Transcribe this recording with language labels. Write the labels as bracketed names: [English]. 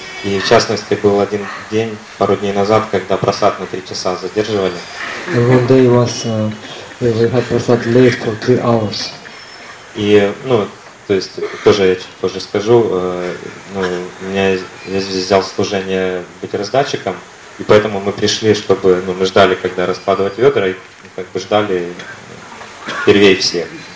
[Russian] И в частности был один день, пару дней назад, когда просад на 3 часа задерживали. [English] And one day was, we had просад late for 3 hours. [Russian] И, ну, то есть, тоже я чуть позже скажу, ну, я здесь взял служение быть раздатчиком, и поэтому мы пришли, чтобы, ну, мы ждали, когда раскладывать ведра, и как бы ждали впервые все.